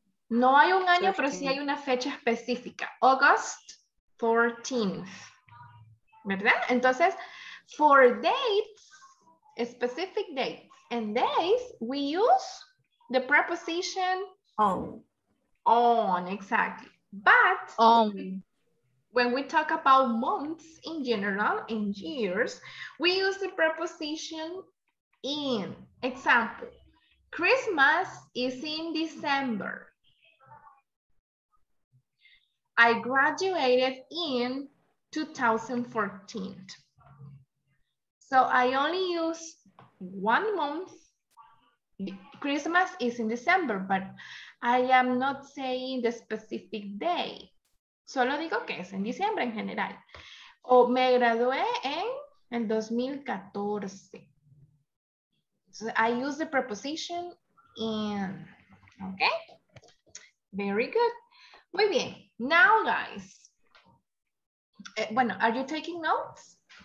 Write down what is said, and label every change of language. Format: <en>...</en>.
<es>No hay un año, pero sí hay una fecha específica.</es> <en>August 14th.</en> <es>¿Verdad? Entonces,</es> <en>for dates, specific dates and days, we use the preposition on, exactly. But when we talk about months in general and years, we use the preposition in. Example, Christmas is in December. I graduated in 2014. So I only use one month Christmas is in December, but I am not saying the specific day.</en> <es>Solo digo que es en diciembre en general. O me gradué en el 2014.</es> <en>So I use the preposition in. Okay? Very good.</en> <es>Muy bien.</es> <en>Now, guys.</en> <es>Bueno,</es> <en>are you taking notes?</en>